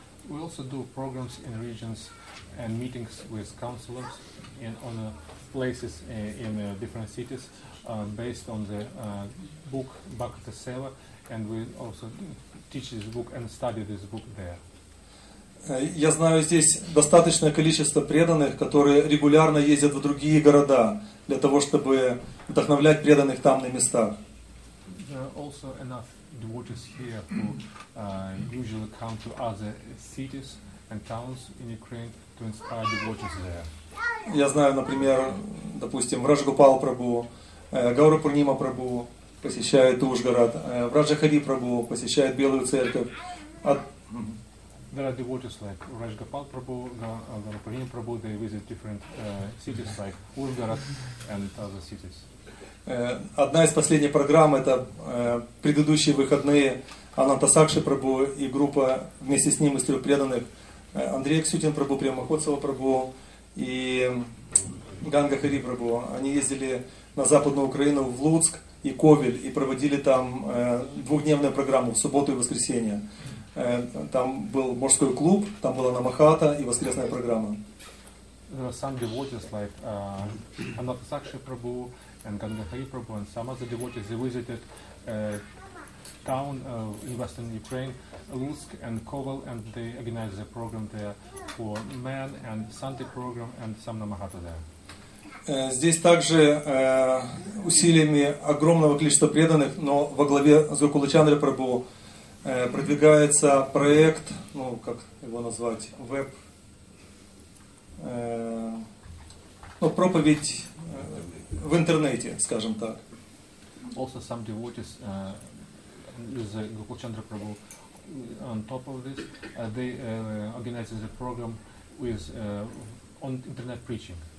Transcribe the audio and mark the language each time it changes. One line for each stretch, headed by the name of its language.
English: We also do programs in regions and meetings with counselors in on places in different cities based on the book Bhakta Seva, and we also teach this book and study this book there.
Russian: Я знаю, здесь достаточное количество преданных, которые регулярно ездят в другие города для того, чтобы вдохновлять преданных там на местах.
English: There are also enough devotees here who usually come to other cities and towns in Ukraine to inspire devotees there.
Russian: Я знаю, например, допустим, Раджгупал Прабу, Гаура Пурнима Прабу посещает Ужгород, Враджа Хари Прабу посещает Белую Церковь.
English: There are devotees like Raj Gopal Prabhu, Gaura Purnima Prabhu, they visit different cities like Ужгород and other cities.
Russian: Одна из последних программ это предыдущие выходные Ананта Сакши Прабу и группа вместе с ним из трех преданных Андрей Ксютин Прабу, Прима Хоцова Прабу и Ганга Хари Прабу. Они ездили на Западную Украину в Луцк и Ковель и проводили там двухдневную программу в субботу и воскресенье. Там был мужской клуб, там была Намахата и воскресная программа.
English: Some devotees like Ananta Sakshi Prabhu and Ganga Hari Prabhu and some other devotees, they visited town in Western Ukraine, Lutsk and Koval, and they organized a program there for men and Sunday program and some Namahata there.
Russian: Здесь также усилиями огромного количества преданных, но во главе с Гокула Чандра Прабу продвигается проект, ну как его назвать, веб, ну проповедь в интернете, скажем так.
English: Also some devotees with Gokula Chandra Prabhu on top of this, they organizing the program with on internet preaching.